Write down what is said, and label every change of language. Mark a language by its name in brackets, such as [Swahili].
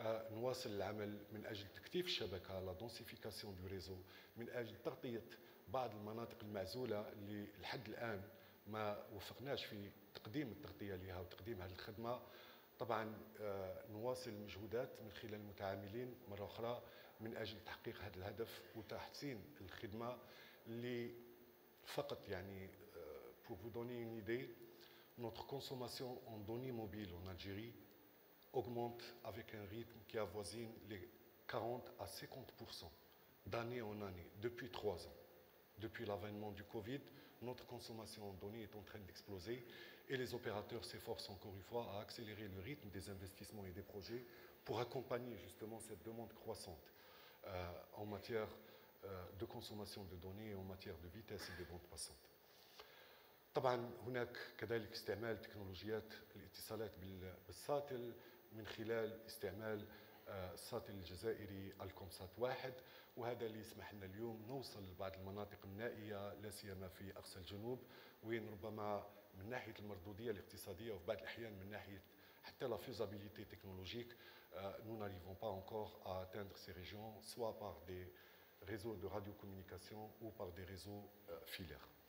[Arabic] نواصل العمل من أجل تكثيف الشبكة، [French] la densification du réseau، [Arabic] من أجل تغطية بعض المناطق المعزولة اللي لحد الآن ما وفقناش في تقديم التغطية لها وتقديم هذه الخدمة. طبعا نواصل المجهودات من خلال المتعاملين مرة أخرى من أجل تحقيق هذا الهدف وتحسين الخدمة. اللي فقط يعني [French] pour vous donner une idée, notre consommation en données mobiles en Algérie augmente avec un rythme qui avoisine les 40 à 50% d'année en année depuis 3 ans. Depuis l'avènement du Covid, notre consommation en données est en train d'exploser et les opérateurs s'efforcent encore une fois à accélérer le rythme des investissements et des projets pour accompagner justement cette demande croissante en matière de consommation de données en matière de vitesse et de bande passante. [Arabic] طبعا هناك كذلك استعمال تكنولوجيات الاتصالات بالساتل من خلال استعمال الساتل الجزائري الكومسات واحد، وهذا اللي يسمح لنا اليوم نوصل لبعض المناطق النائيه لا سيما في اقصى الجنوب، وين ربما من ناحيه المردوديه الاقتصاديه وفي بعض الاحيان من ناحيه حتى [French] لا فيزابيليتي تكنولوجيك nous n'arrivons pas encore à atteindre ces régions soit par des réseaux de radiocommunication ou par des réseaux filaires.